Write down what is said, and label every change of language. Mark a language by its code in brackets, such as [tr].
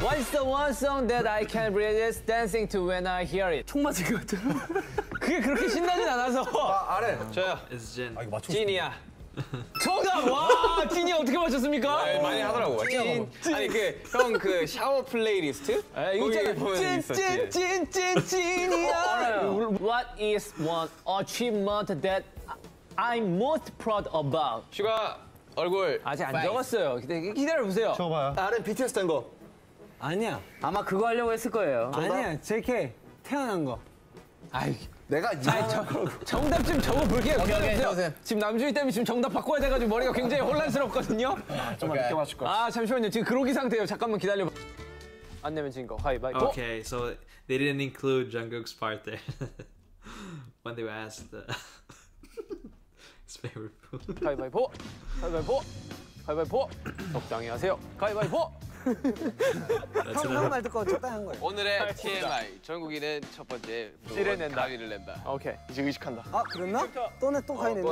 [en] What's the one song that I can resist dancing to when I hear it? [ko] 총 맞을 것 같아. 그게 그렇게 신나진 않아서. 아, 아래. 저요. [en] It's Jin. [ko] 아, 이거 맞춰. 진이야. 정답! 와! 진이 어떻게 맞췄습니까? 와, 많이 하더라고. 진. 아니, 그, 형 그 샤워 플레이리스트? 아, 이거 있잖아. 진이야. [en] What is one achievement that I'm most proud about? [ko] 슈가. 얼굴 아직 안 적었어요. 기다려 보세요. 적어봐요. 나는 BTS 된 거. 아니야. 아마 그거 하려고 했을 거예요. 아니야. JK 태어난 거. 아이 내가 이거 정답 좀 적어 볼게요. 오케이, 오케이, 오세요. 지금 남주희 때문에 지금 정답 바꿔야 돼 가지고 머리가 굉장히 혼란스럽거든요. 정말 늦게 맞출 거. 아 잠시만요. 지금 그러기 상태예요. 잠깐만 기다려. 안 내면 진 거. 하이바이. [en] Okay, so they didn't include Jungkook's part there when they were asked. The... His favorite food. [ko] 가위바위보! 가위바위보! 가위바위보! 적당히 하세요! 가위바위보! 형 한 말 듣고 적당한 거예요. 오늘의 TMI. 정국이는 첫 번째 씨를 낸다. 가위를 낸다. 오케이. 이제 의식한다. 아 그랬나? 또 내 또 가위 낸다.